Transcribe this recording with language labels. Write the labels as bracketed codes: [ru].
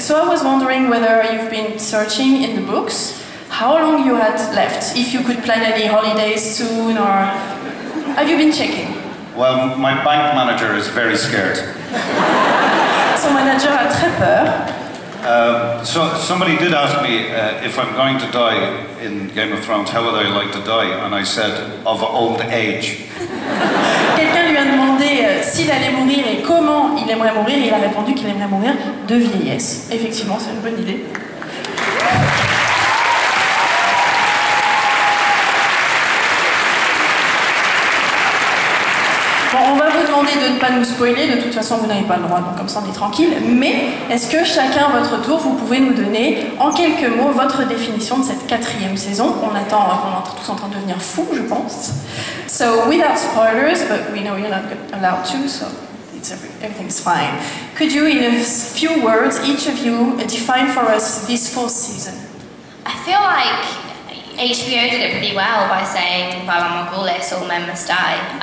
[en] So I was wondering whether you've been searching in the books, how long you had left, if you could plan any holidays soon, or have you been checking? Well, my bank manager is very scared. [fr] Son manager a très peur. [en] So somebody did ask me if I'm going to die in Game of Thrones, how would I like to die? And I said, of old age. [fr] Quelqu'un lui a demandé s'il allait mourir et comment il aimerait mourir, et il a répondu qu'il aimerait mourir de vieillesse. Effectivement, c'est une bonne idée. De ne pas nous spoiler, de toute façon vous n'avez pas le droit, donc comme ça on est tranquille, mais est-ce que chacun à votre tour vous pouvez nous donner en quelques mots votre définition de cette quatrième saison? On est tous en train de devenir fous, je pense. [en] So without spoilers, but we know you're not allowed to, so everything's fine. Could you in a few words, each of you, define for us this fourth season? I feel like HBO did it pretty well by saying, "Bala Morghulis, all men must die."